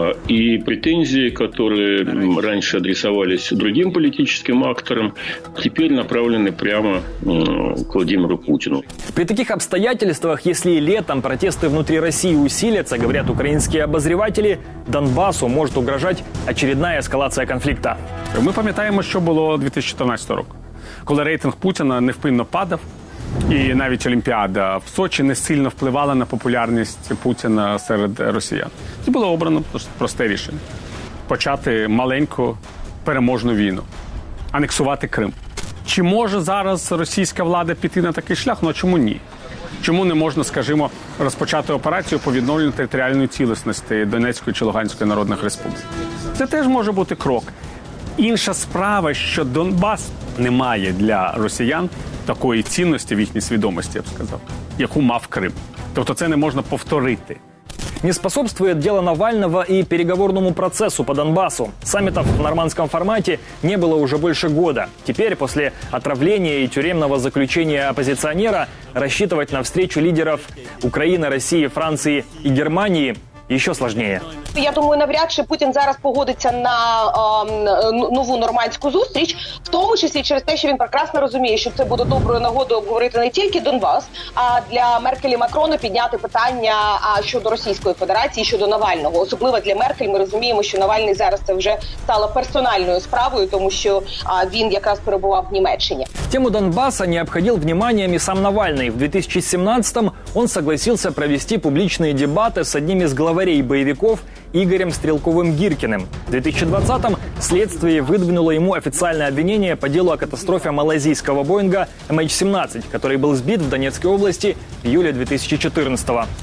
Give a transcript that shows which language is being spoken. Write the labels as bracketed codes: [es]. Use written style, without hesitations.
[ru] И претензии, которые раньше адресовались другим политическим акторам, теперь направлены прямо к Владимиру Путину. При таких обстоятельствах, если и летом протесты внутри России усилятся, говорят украинские обозреватели, Донбассу может угрожать очередная эскалация конфликта. Мы помним, что было 2014 год, когда рейтинг Путина невпинно падал. [uk] І навіть Олімпіада в Сочі не сильно впливала на популярність Путіна серед росіян. Це було обрано просте рішення – почати маленьку переможну війну, анексувати Крим. Чи може зараз російська влада піти на такий шлях? Ну, а чому ні? Чому не можна, скажімо, розпочати операцію по відновленню територіальної цілісності Донецької чи Луганської народних республік? Це теж може бути крок. Інша справа, що Донбас не має для росіян такої цінності в їхній свідомості, я б сказав, яку мав Крим. Тобто це не можна повторити. [ru] Не способствует дело Навального и переговорному процессу по Донбассу. Саммитов в нормандском формате не было уже больше года. Теперь, после отравления и тюремного заключения оппозиционера, рассчитывать на встречу лидеров Украины, России, Франции и Германии еще сложнее. [uk] Я думаю, навряд чи Путін зараз погодиться на нову нормандську зустріч, в тому числі через те, що він прекрасно розуміє, що це буде доброю нагодою обговорити не тільки Донбас, а для Меркель і Макрона підняти питання щодо Російської Федерації, щодо Навального. Особливо для Меркель ми розуміємо, що Навальний зараз це вже стало персональною справою, тому що він якраз перебував в Німеччині. [ru] Тему Донбаса не обходил вниманием и сам Навальный. В 2017-м он согласился провести публичные дебаты с одним из главарей боевиков Игорем Стрелковым-Гиркиным. В 2020-м следствие выдвинуло ему официальное обвинение по делу о катастрофе малайзийского Боинга MH17, который был сбит в Донецкой области в июле 2014-го.